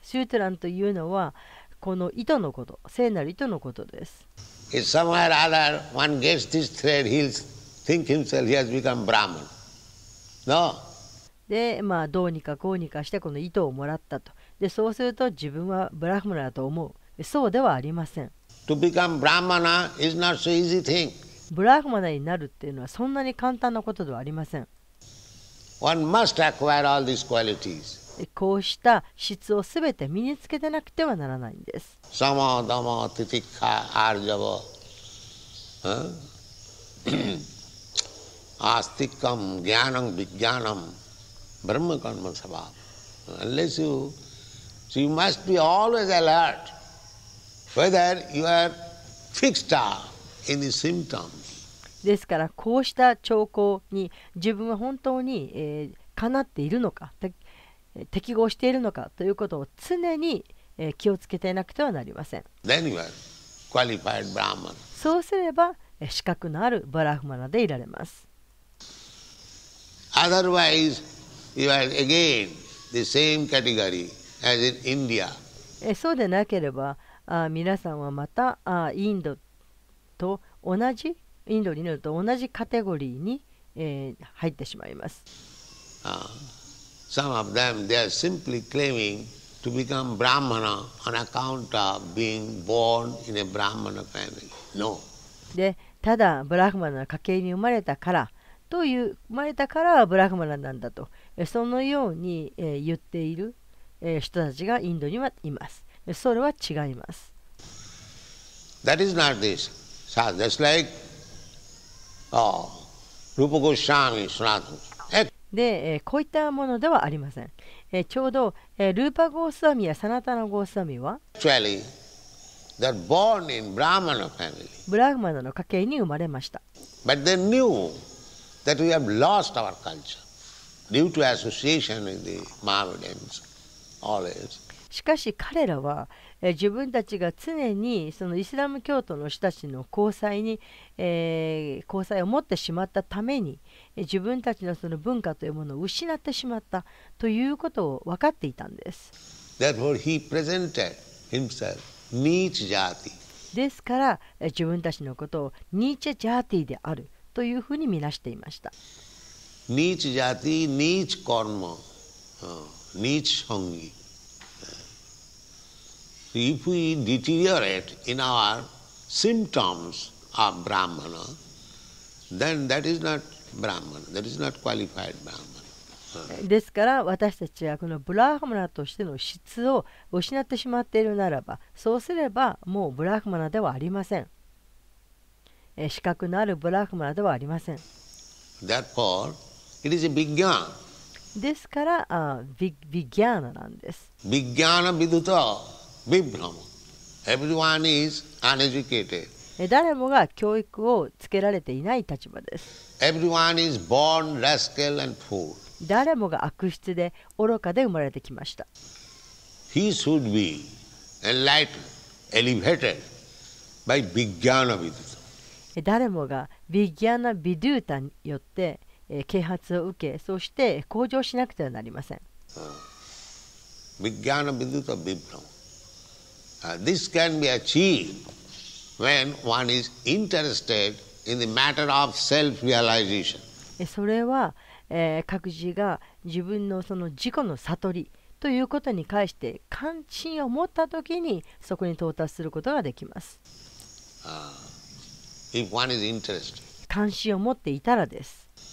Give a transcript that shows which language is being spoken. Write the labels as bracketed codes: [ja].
[ja] シュートランというのは、この糸のこと、聖なる糸のことです。 [en] If somewhere other one gets this thread, he'll think himself he has become Brahman. No. [ja] で、まあどうにかこうにかしてこの糸をもらったと。で、そうすると自分はブラフマナだと思う。そうではありません。 [en] To become Brahmana is not so easy thing. [ja] ブラフマナになるっていうのはそんなに簡単なことではありません。 [en] One must acquire all these qualities. [ja] こうした質をすべて身につけてなくてはならないんです。 [sa] サマダマティティッカアルジャボ、アスティカムギャナムビギャナムブラムカンマサバ。 [en] Unless you, so you must be always alert whether you are fixed up in the symptoms. [ja] ですからこうした兆候に自分は本当に、かなっているのか。適合しているのかということを常に気をつけていなくてはなりません。 [en] Then you are qualified Brahman. [ja] そうすれば資格のあるブラフマナでいられます。 [en] Otherwise, you are again the same category as in India. [ja] そうでなければ皆さんはまたインドと同じインドになると同じカテゴリーに入ってしまいます。 [en] Some of them, they are simply claiming to become Brahmana on account of being born in a Brahmana family. No. [ja] で、ただブラフマナの家系に生まれたからという、生まれたからブラフマナなんだと、そのように、言っている、人たちがインドにはいます。それは違います。 [en] That is not this. So just like, Rupa Goswami, Sanatana. [ja] で、こういったものではありません。ちょうど、ルーパゴースワミやサナタナゴースワミは、 [en] Actually,They're born in Brahmana family. [ja] ブラフマナの家系に生まれました。 [en] But they knew that we have lost our culture due to association with the Mohammedans always. [ja] しかし彼らは自分たちが常にそのイスラム教徒の人たちの交際に、交際を持ってしまったために自分たちのその文化というものを失ってしまったということを分かっていたんです。 [en] Therefore, he presented himself. ニーチジャーティ [ja] ですから自分たちのことをニーチジャーティであるというふうに見なしていました。 [sa] ニーチジャーティ、ニーチコルマ、ニーチソンギ。 [en] If we deteriorate in our symptoms of Brahmana, then that is not Brahmana, that is not qualified Brahmana. [ja] ですから私たちはこのブラーハマナとしての質を失ってしまっているならば、そうすればもうブラフマナではありません。資格のあるブラフマナではありません。 [en] Therefore, it is a vigyan. [ja] ですから、vigyana なんです。 [sa] Vigyana viduto vibhrama. [en] Everyone is uneducated. [ja] 誰もが教育をつけられていない立場です。 [en] Everyone is born rascal and fool. [ja] 誰もが悪質で愚かで生まれてきました。 [en] He should be enlightened, elevated by Vijnana Vidyuta. [ja] 誰もが Vijnana Vidyuta によって啓発を受け、そして向上しなくてはなりません。 [sa] Vijnana Vidyuta Vibhrama. [en] This can be achieved when one is interested in the matter of self-realization. [ja] それは、各自が自分のその自己の悟りということに関して関心を持ったときにそこに到達することができます。 [en] If one is interested. [ja] 関心を持っていたらです。